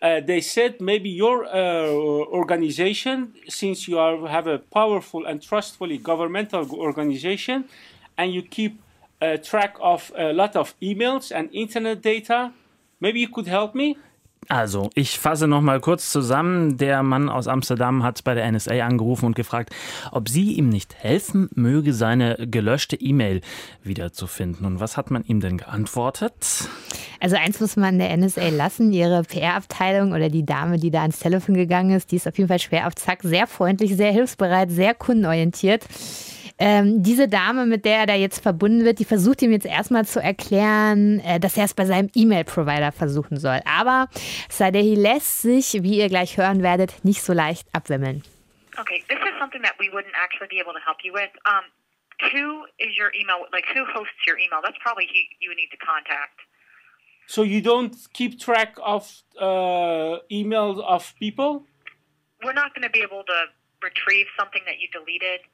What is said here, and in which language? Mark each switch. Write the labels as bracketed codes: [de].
[en] they said maybe your organization, since you have a powerful and trustworthy governmental organization and you keep track of a lot of emails and internet data, maybe you could help me. [de] Also, ich fasse nochmal kurz zusammen. Der Mann aus Amsterdam hat bei der NSA angerufen und gefragt, ob sie ihm nicht helfen möge, seine gelöschte E-Mail wiederzufinden. Und was hat man ihm denn geantwortet? Also eins muss man der NSA lassen, ihre PR-Abteilung oder die Dame, die da ans Telefon gegangen ist, die ist auf jeden Fall schwer auf Zack, sehr freundlich, sehr hilfsbereit, sehr kundenorientiert. Diese Dame, mit der er da jetzt verbunden wird, die versucht ihm jetzt erstmal zu erklären, dass er es bei seinem E-Mail-Provider versuchen soll. Aber Sadehi lässt sich, wie ihr gleich hören werdet, nicht so leicht abwimmeln. [en] Okay, this is something that we wouldn't actually be able to help you with. Who is your email, like who hosts your email? That's probably who you need to contact. So you don't keep track of emails of people? We're not going to be able to retrieve something that you deleted.